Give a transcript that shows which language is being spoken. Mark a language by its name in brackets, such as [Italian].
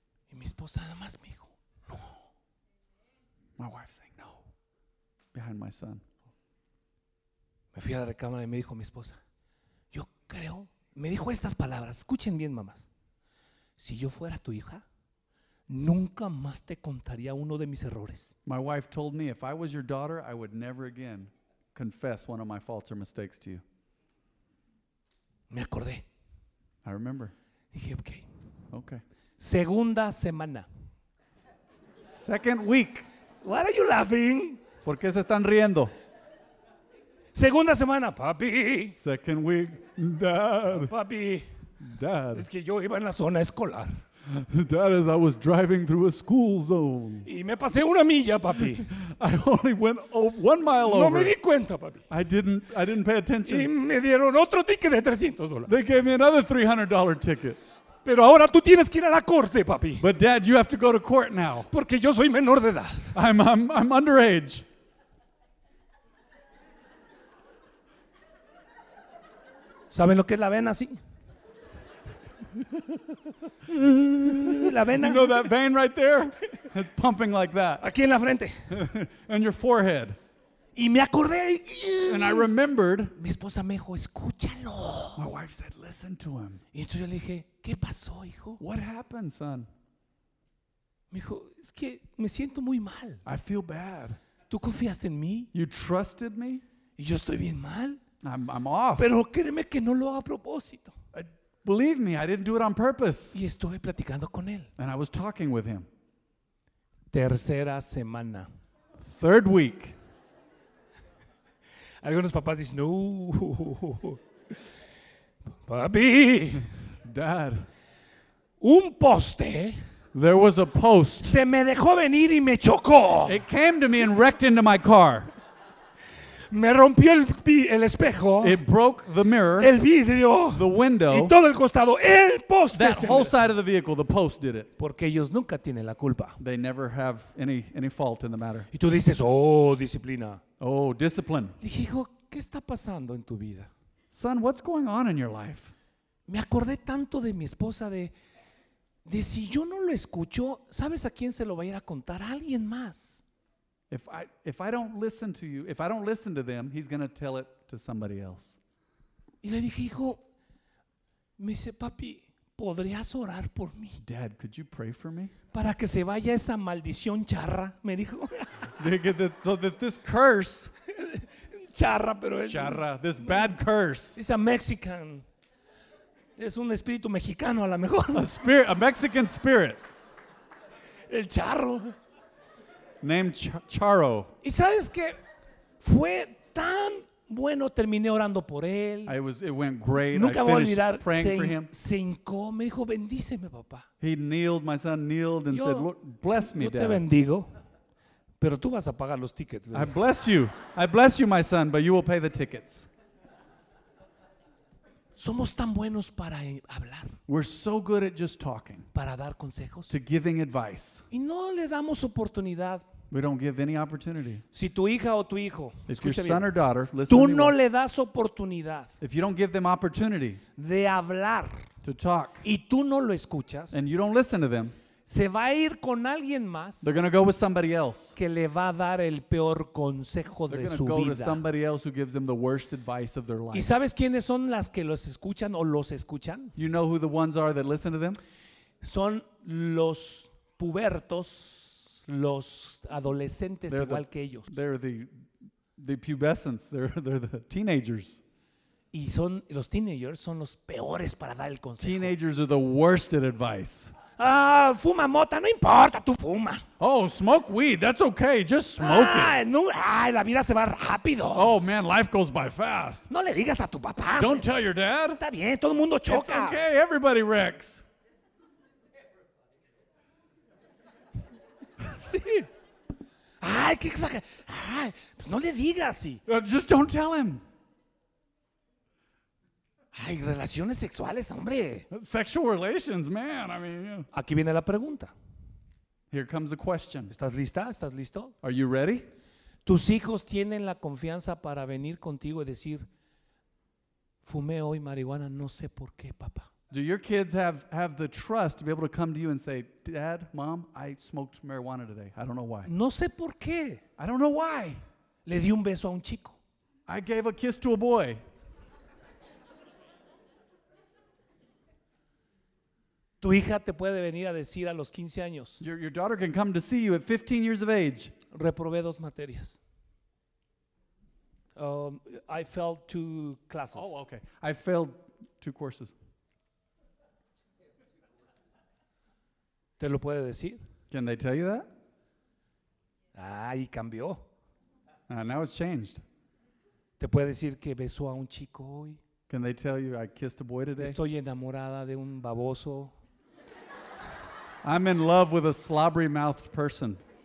[Spanish] Y mi esposa nada más me dijo, no. [English] My wife said, behind my son. [Spanish] Me fui a la recámara y me dijo mi esposa, yo creo, me dijo estas palabras, escuchen bien mamás, si yo fuera tu hija, nunca más te contaría uno de mis errores. [English] My wife told me, if I was your daughter, I would never again confess one of my faults or mistakes to you. [Spanish] Me acordé. [English] I remember. [Spanish] Dije, okay. [English] Okay. [Spanish] Segunda semana. [English] Second week. Why are you laughing? [Spanish] ¿Por qué se están riendo? Segunda semana, papi. [English] Second week, Dad. [Spanish] Papi. [English] Dad. [Spanish] Es que yo iba en la zona escolar. [English] Dad, as I was driving through a school zone. [Spanish] Y me pasé una milla, papi. [English] I only went one mile [Spanish] no [English] over. [Spanish] No me di cuenta, papi. [English] I didn't pay attention. [Spanish] Y me dieron otro ticket de $300. [English] They gave me another $300 ticket. [Spanish] Pero ahora tú tienes que ir a la corte, papi. [English] But Dad, you have to go to court now. [Spanish] Porque yo soy menor de edad. [English] I'm underage. [Spanish] ¿Saben lo que es la vena, sí? La vena. [English] You know that vein right there? It's pumping like that. [Spanish] Aquí en la frente. [English] On your forehead. [Spanish] Y me acordé. [English] And I remembered. [Spanish] Mi esposa me dijo, escúchalo. [English] My wife said, listen to him. [Spanish] Y entonces yo le dije, ¿qué pasó, hijo? [English] What happened, son? [Spanish] Me dijo, es que me siento muy mal. [English] I feel bad. [Spanish] ¿Tú confiaste en mí? [English] You trusted me? [Spanish] ¿Y yo estoy bien mal? [English] I'm off. [Spanish] Pero créeme que no lo hago a propósito. [English] Believe me, I didn't do it on purpose. [Spanish] Y estuve platicando con él. [English] And I was talking with him. [Spanish] Tercera semana. [English] Third week. [Spanish] Algunos papás dicen, no. Papi. [English] Dad. [Spanish] Un poste. [English] There was a post. [Spanish] Se me dejó venir y me chocó. [English] It came to me and wrecked into my car. [Spanish] Me rompió el espejo. [English] It broke the mirror. [Spanish] El vidrio. [English] The window. [Spanish] Y todo el costado. El poste. [English] That whole side of the vehicle, the post did it. [Spanish] Porque ellos nunca tienen la culpa. [English] They never have any fault in the matter. [Spanish] Y tú dices, oh, disciplina. [English] Oh, discipline. [Spanish] Dije, hijo, ¿qué está pasando en tu vida? [English] Son, what's going on in your life? [Spanish] Me acordé tanto de mi esposa de si yo no lo escucho, ¿sabes a quién se lo va a ir a contar? A alguien más. [English] If I don't listen to you, if I don't listen to them, he's going to tell it to somebody else. [Spanish] Y le dije, hijo, me dice, papi, ¿podrías orar por mí? [English] Dad, could you pray for me? [Spanish] Para que se vaya esa maldición charra, me dijo. [English] So that this curse, [Spanish] charra, pero es [English] charra, this bad curse. It's a Mexican. [Spanish] Es un espíritu mexicano a lo mejor. [English] A Mexican spirit. [Spanish] El charro. [English] Named Charo. [Spanish] ¿Y sabes qué? Fue tan bueno, terminé orando por él. [English] It went great. [Spanish] Nunca [English] I [Spanish] voy a olvidar, [English] praying for him. [Spanish] Se hincó, me dijo, bendíceme, papá. [English] He kneeled, my son kneeled and [Spanish] yo, [English] said, Lord, bless me, [Spanish] yo [English] Dad. [Spanish] Yo te bendigo, pero tú vas a pagar los tickets. [English] I bless you. I bless you, my son, but you will pay the tickets. [Spanish] Somos tan buenos para hablar. [English] We're so good at just talking. [Spanish] Para dar consejos. [English] To giving advice. [Spanish] Y no le damos oportunidad. [English] We don't give any opportunity. [Spanish] Si tu hija o tu hijo, [English] if your son or daughter, listen [Spanish] tú [English] to me no well. [Spanish] Le das oportunidad. [English] If you don't give them opportunity. [Spanish] De hablar. [English] To talk. [Spanish] Y tú no lo escuchas. [English] And you don't listen to them. [Spanish] Se va a ir con alguien más. [English] They're going to go with somebody else. [Spanish] Que le va a dar el peor consejo de su vida. [English] They're going to go to somebody else who gives them the worst advice of their life. [Spanish] ¿Y sabes quiénes son las que los escuchan o los escuchan? [English] You know who the ones are that listen to them? [Spanish] Son los pubertos, los adolescentes igual que ellos. [English] They're the pubescents. They're the teenagers. [Spanish] Y son los teenagers son los peores para dar el consejo. [English] Teenagers are the worst at advice. [Spanish] Ah, fuma mota, no importa, tú fuma. [English] Oh, smoke weed, that's okay, just smoke ah, it. [Spanish] No, ay, la vida se va rápido. [English] Oh, man, life goes by fast. [Spanish] No le digas a tu papá. [English] Don't tell your dad. [Spanish] Está bien, todo el mundo choca. [English] It's okay, everybody wrecks. [Spanish] Sí. Ay, qué exagerado. Ay, pues no le digas, sí. [English] Just don't tell him. [Spanish] Ay, relaciones sexuales, hombre. [English] Sexual relations, man. I mean, yeah. [Spanish] Aquí viene la pregunta. [English] Here comes the question. [Spanish] ¿Estás lista? ¿Estás listo? [English] Are you ready? [Spanish] ¿Tus hijos tienen la confianza para venir contigo y decir, fumé hoy marihuana, no sé por qué, papá? [English] Do your kids have the trust to be able to come to you and say, Dad, Mom, I smoked marijuana today. I don't know why. [Spanish] No sé por qué. [English] I don't know why. [Spanish] Le di un beso a un chico. [English] I gave a kiss to a boy. [Spanish] Tu hija te puede venir a decir a los 15 años. [English] Your daughter can come to see you at 15 years of age. [Spanish] Reprobé dos materias. [English] I failed two classes. Oh, okay. I failed two courses. [Spanish] ¿Te lo puede decir? [English] Can they tell you that? [Spanish] Ah, y cambió. [English] Now it's changed. [Spanish] ¿Te puede decir que besó a un chico hoy? [English] Can they tell you I kissed a boy today? [Spanish] Estoy enamorada de un baboso. [English] I'm in love with a slobbery-mouthed person.